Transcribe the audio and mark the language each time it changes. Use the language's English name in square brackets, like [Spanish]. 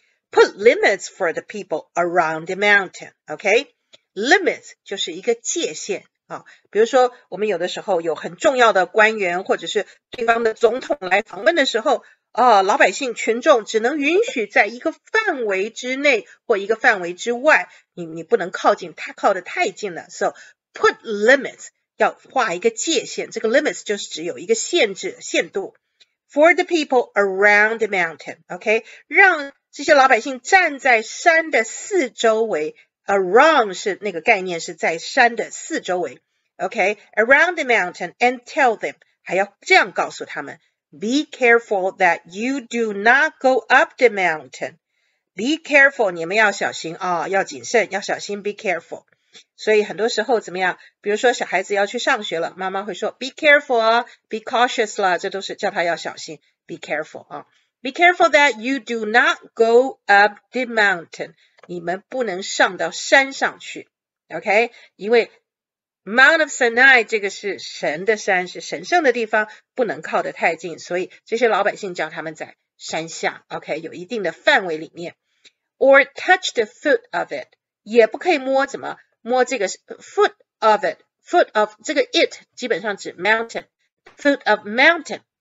[English] Put limits for the people around the mountain. [Chinese] OK, limits 就是一个界限啊。比如说，我们有的时候有很重要的官员或者是对方的总统来访问的时候，老百姓群众只能允许在一个范围之内或一个范围之外，你不能靠近，太靠得太近了。 [English] So put limits [Chinese] 要画一个界限，这个 limits 就是只有一个限制、限度。 [English] For the people around the mountain. OK, [Chinese] 让这些老百姓站在山的四周围，around 是那个概念，是在山的四周围。 [English] OK，around the mountain and tell them， [Chinese] 还要这样告诉他们： [English] Be careful that you do not go up the mountain. Be careful， [Chinese] 你们要小心啊，要谨慎，要小心。Be careful。所以很多时候怎么样？比如说小孩子要去上学了，妈妈会说： [English] Be careful [Chinese] 啊， [English] Be cautious [Chinese] 啦，这都是叫他要小心。Be careful 啊。 [English] Be careful that you do not go up the mountain. [Chinese] 你们不能上到山上去，OK？因为 Mount of Sinai 这个是神的山，是神圣的地方，不能靠得太近。所以这些老百姓叫他们在山下，OK？有一定的范围里面。 [English] Or touch the foot of it， [Chinese] 也不可以摸，怎么摸这个 [English] foot of it？ Foot of [Chinese] 这个 it 基本上指 mountain， [English] foot of mountain。